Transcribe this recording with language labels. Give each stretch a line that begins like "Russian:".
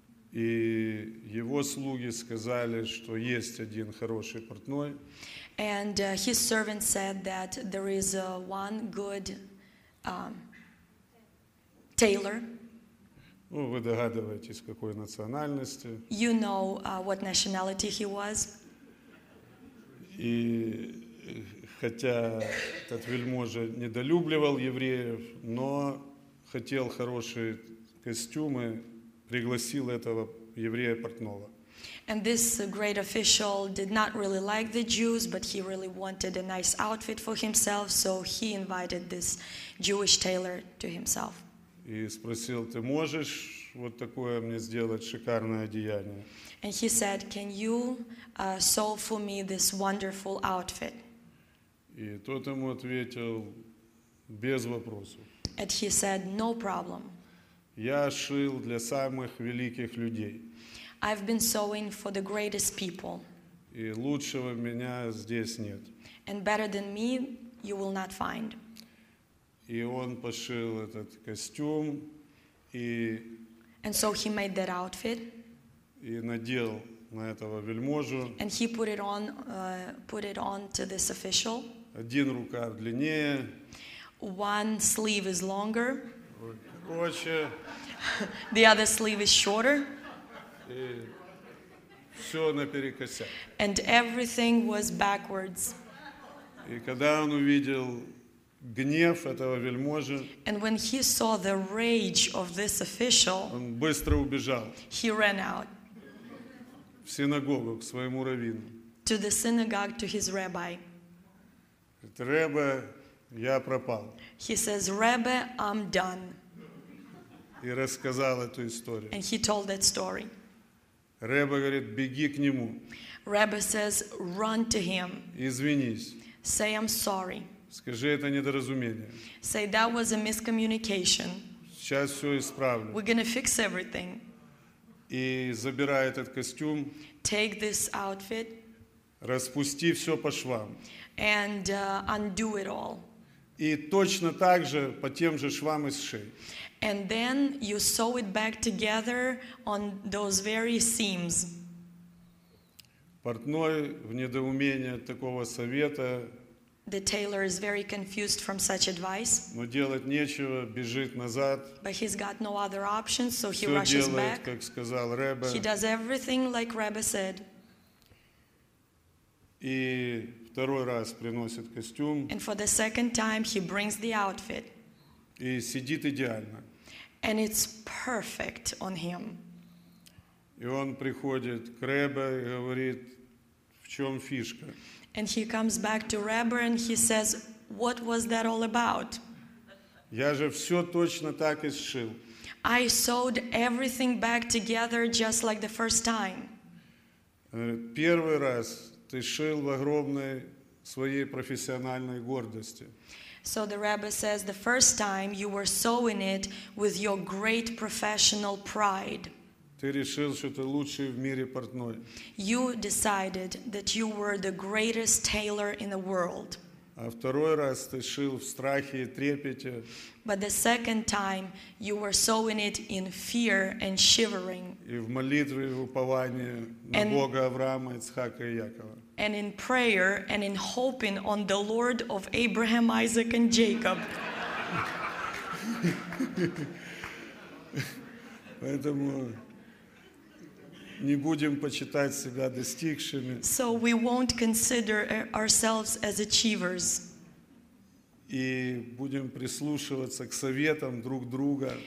Russian: И его слуги сказали, что есть один хороший портной.
English: And his servant said that there is one good tailor.
Russian: Ну, вы догадываетесь, какой национальности.
English: You know what nationality he was.
Russian: И хотя этот вельможа недолюбливал евреев, но хотел хорошие костюмы, пригласил этого еврея портного.
English: And this great official did not really like the Jews, but he really wanted a nice outfit for himself, so he invited this Jewish tailor to himself.
Russian: И спросил, ты можешь вот такое мне сделать шикарное одеяние?
English: And he said, can you sew for me this wonderful outfit?
Russian: И тот ему ответил, без вопросов.
English: And he said, no problem.
Russian: Я шил для самых великих людей.
English: I've been sewing for the greatest people.
Russian: И лучшего меня здесь нет.
English: And better than me you will not find.
Russian: И он пошил этот костюм и...
English: And so he made that outfit.
Russian: И надел на этого вельможу.
English: And he put it on to this official.
Russian: Один рукав длиннее.
English: One sleeve is longer.
Russian: Короче.
English: The other sleeve is shorter.
Russian: И все наперекосяк.
English: And everything was backwards.
Russian: И когда он увидел гнев этого вельможи,
English: and when he saw the rage of this official,
Russian: он быстро убежал.
English: He ran out.
Russian: В синагогу к своему раввину.
English: To the synagogue to his rabbi.
Russian: Говорит, Ребе, я пропал.
English: He says, Rebbe, I'm done.
Russian: И рассказал эту историю.
English: And he told that story.
Russian: Ребе говорит, беги к нему.
English: Rebbe says, run to him.
Russian: Извинись.
English: Say, I'm sorry.
Russian: Скажи, это недоразумение.
English: Say, that was a miscommunication.
Russian: Сейчас все исправлю.
English: We're gonna fix everything.
Russian: И забирай этот костюм.
English: Take this outfit.
Russian: Распусти все по швам.
English: And undo it all.
Russian: И точно так же по тем же швам и сшей.
English: And then you sew it back together on those very seams.
Russian: Портной в недоумении от такого совета.
English: The tailor is very confused from such advice.
Russian: Но делать нечего, бежит назад.
English: But he's got no other options, so he rushes
Russian: делает,
English: back.
Russian: Как сказал Ребе.
English: He does everything like Rebbe said.
Russian: И второй раз приносит костюм.
English: And for the second time, he brings the outfit.
Russian: И сидит идеально.
English: And it's perfect on him.
Russian: И он приходит к Ребе и говорит, в чем фишка?
English: And he comes back to Rebbe and he says, what was that all about?
Russian: Я же все точно так и сшил.
English: I sewed everything back together just like the first time.
Russian: Первый раз ты шил в огромной своей профессиональной гордости.
English: So the Rebbe says, the first time you were sewing it with your great professional pride.
Russian: Ты решил, что ты лучший в мире портной.
English: You decided that you were the greatest tailor in the world.
Russian: А второй раз ты шил в страхе и трепете.
English: But the second time you were sewing it in fear and shivering.
Russian: И в молитве и в уповании на Бога Авраама, Ицхака и Якова.
English: And in prayer and in hoping on the Lord of Abraham, Isaac and Jacob.
Russian: Поэтому не будем почитать себя достигшими.
English: So we won't consider ourselves as achievers.
Russian: И будем прислушиваться к советам друг друга.